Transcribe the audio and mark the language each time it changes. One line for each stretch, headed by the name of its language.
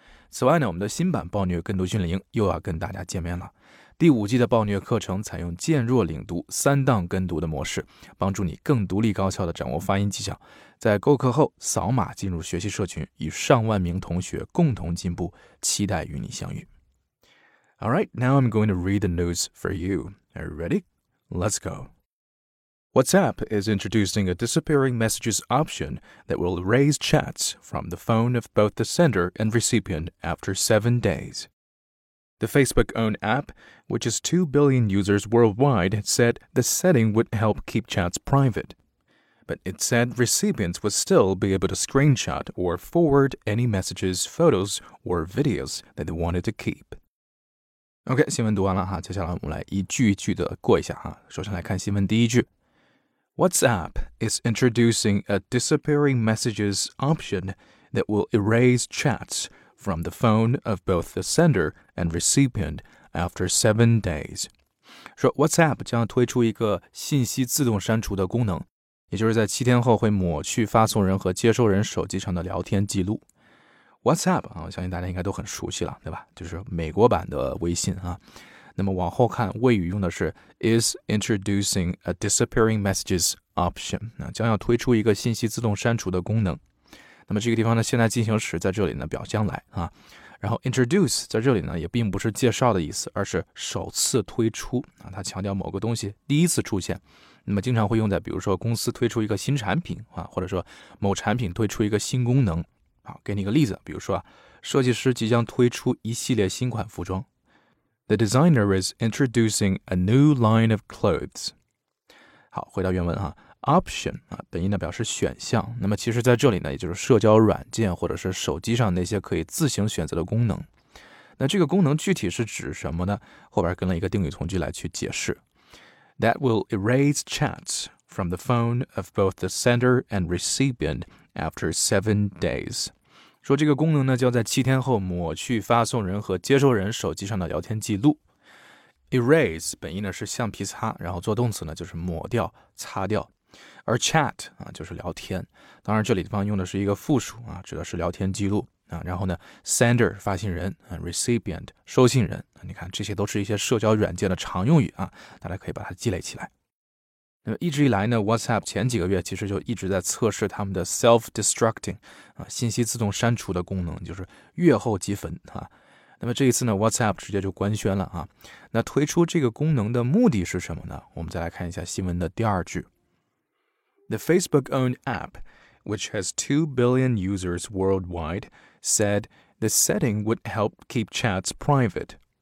Chinese: 此外呢，我们的新版暴虐跟读训练营又要跟大家见面了。第五季的暴虐课程采用渐弱领读三档跟读的模式，帮助你更独立高效地掌握发音技巧，在购课后扫码进入学习社群，与上万名同学共同进步，期待与你相遇。
English: All right, now I'm going to read the news for you. Are you ready? Let's go. WhatsApp is introducing a disappearing messages option that will erase chats from the phone of both the sender and recipient after 7 days. The Facebook-owned app, which has 2 billion users worldwide, said the setting would help keep chats private. But it said recipients would still be able to screenshot or forward any messages, photos, or videos that they wanted to keep.
Chinese: OK, 新闻读完了哈，接下来我们来一句一句的过一下哈。首先来看新闻第一句。
English: WhatsApp is introducing a disappearing messages option that will erase chats from the phone of both the sender and recipient after 7 days.
Chinese: 说 WhatsApp 将推出一个信息自动删除的功能，也就是在7天后会抹去发送人和接收人手机上的聊天记录。 WhatsApp 啊，我相信大家应该都很熟悉了，对吧？就是美国版的微信啊。那么往后看，谓语用的是
English: is introducing a disappearing messages option，
Chinese: 那将要推出一个信息自动删除的功能。那么这个地方呢，现在进行时在这里呢表将来啊。然后 introduce 在这里呢也并不是介绍的意思，而是首次推出啊，它强调某个东西第一次出现。那么经常会用在比如说公司推出一个新产品啊，或者说某产品推出一个新功能。好，给你个例子，比如说啊，设计师即将推出一系列新款服装。
English: The designer is introducing a new line of clothes.
Chinese: 好，回到原文啊 ，option 啊，本意呢表示选项。那么其实在这里呢，也就是社交软件或者是手机上那些可以自行选择的功能。那这个功能具体是指什么呢？后边跟了一个定语从句来去解释。
English: That will erase chats from the phone of both the sender and recipient. After 7 days.
Chinese: 说这个功能呢将在7天后抹去发送人和接收人手机上的聊天记录。 Erase 本意呢是橡皮擦，然后做动词呢就是抹掉擦掉。而 chat 啊就是聊天。当然这里方用的是一个复数啊，指的是聊天记录。啊，然后呢 sender 发信人啊 ,recipient 收信人。你看这些都是一些社交软件的常用语啊，大家可以把它积累起来。那么一直以来呢 ,WhatsApp 前几个月其实就一直在测试他们的 self-destructing, 啊信息自动删除的功能，就是月后即焚啊。那么这一次呢 ,WhatsApp 直接就官宣了啊。那推出这个功能的目的是什么呢？我们再来看一下新闻的第二句。
English: The Facebook-owned app, which has 2 billion users worldwide, said the setting would help keep chats private.